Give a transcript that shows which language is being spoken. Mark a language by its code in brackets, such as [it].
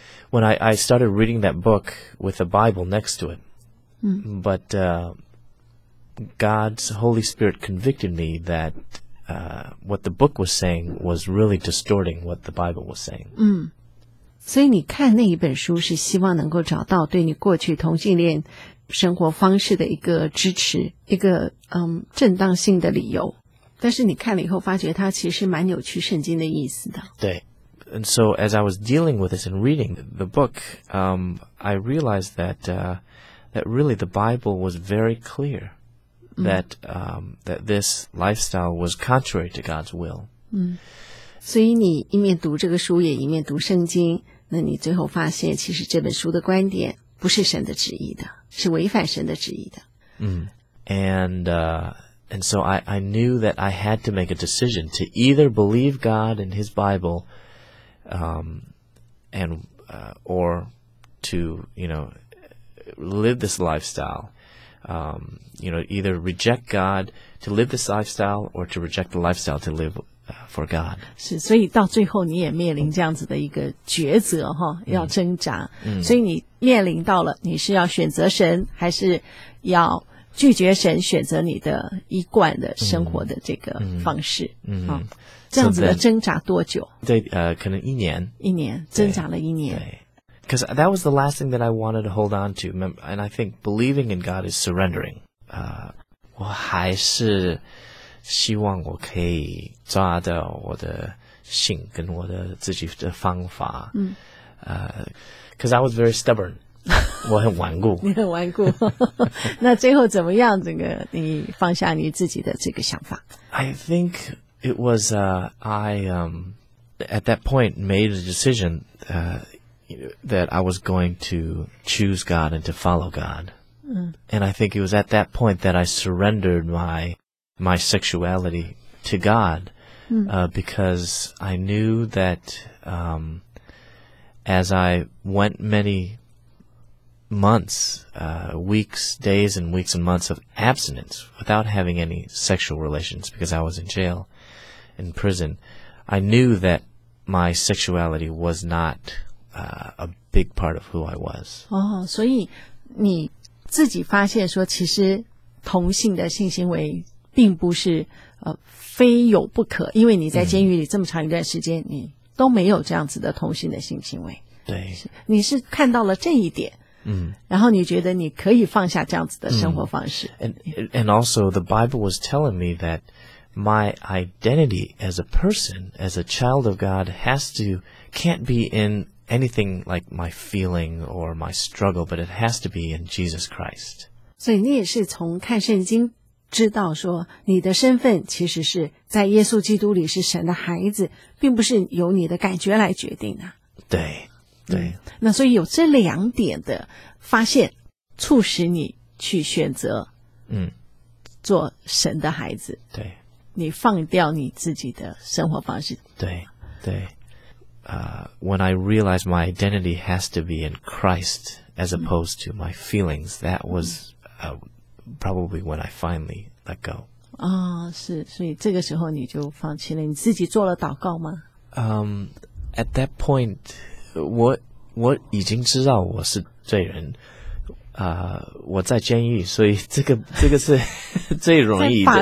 [en] When I started reading that book with a Bible next to it, but God's Holy Spirit convicted me that what the book was saying was really distorting what the Bible was saying. [zh] 所以你看那一本书是希望能够找到对你过去同性恋生活方式的一个支持，一个正当性的理由。但是你看了以后发觉它其实蛮扭曲圣经的意思的。对。 [en] And so as I was dealing with this and reading the book, I realized that, that really the Bible was very clear that, that this lifestyle was contrary to God's will. [zh] 所以你一面读这个书也一面读圣经，那你最后发现其实这本书的观点不是神的旨意的，是违反神的旨意的。 [en] And so I knew that I had to make a decision to either believe God and his Bible, or to, you know, live this lifestyle, you know, either reject God to live this lifestyle or to reject the lifestyle to liveFor God. [zh] 是，所以到最后你也面临这样子的一个抉择哈，要挣扎。所以你面临到了，你是要选择神，还是要拒绝神，选择你的一贯的生活的这个方式？这样子的挣扎多久？对，可能一年。一年，挣扎了一年。 [en] Because that was the last thing that I wanted to hold on to. And I think believing in God is surrendering. [zh] 我还是希望我可以抓到我的性跟我的自己的方法。 [en] Because I was very stubborn. [zh] 我很顽固。你很顽固。那最后怎么样，这个你放下你自己的这个想法？ [en] I think it was, at that point made a decision, that I was going to choose God and to follow God. And I think it was at that point that I surrendered my sexuality to God, because I knew that as I went many months, weeks, days and weeks and months of abstinence without having any sexual relations because I was in jail, in prison, I knew that my sexuality was not a big part of who I was. [zh] Oh, 所以你自己发现说其实同性的性行为并不是非有不可，因为你在监狱里这么长一段时间，你都没有这样子的同性的性行为。对，你是看到了这一点，然后你觉得你可以放下这样子的生活方式。 [en] And also, the Bible was telling me that my identity as a person, as a child of God, can't be in anything like my feeling or my struggle, but it has to be in Jesus Christ. [zh] 所以你也是从看圣经。知道说你的身份其实是在耶稣基督里是神的孩子，并不是由你的感觉来决定的。对对，那所以有这两点的发现促使你去选择做神的孩子。对，你放掉你自己的生活方式。对对， [en] when I realized my identity has to be in Christ as opposed to my feelings, that was probably when I finally let go. [zh] 哦，是，所以这个时候你就放弃了，你自己做了祷告吗？ [en] At that point, [zh] 我已经知道我是罪人，我在监狱，所以这个是最容易的。